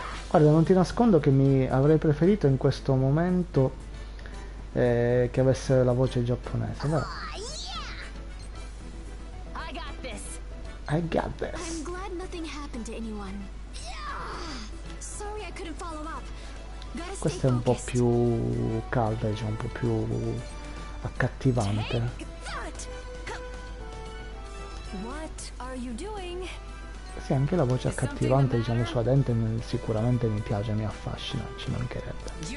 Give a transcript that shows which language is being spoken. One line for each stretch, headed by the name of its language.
Italian: Guarda, non ti nascondo che mi avrei preferito in questo momento che avesse la voce giapponese. Però...
English: I got this. I got this. I'm glad nothing happened to anyone. Sorry I couldn't follow up.
Italian: Questa è un po' più calda, diciamo, un po' più accattivante.
English: What are you doing?
Italian: Sì, anche la voce accattivante, diciamo, sua dente sicuramente mi piace, mi affascina, ci mancherebbe.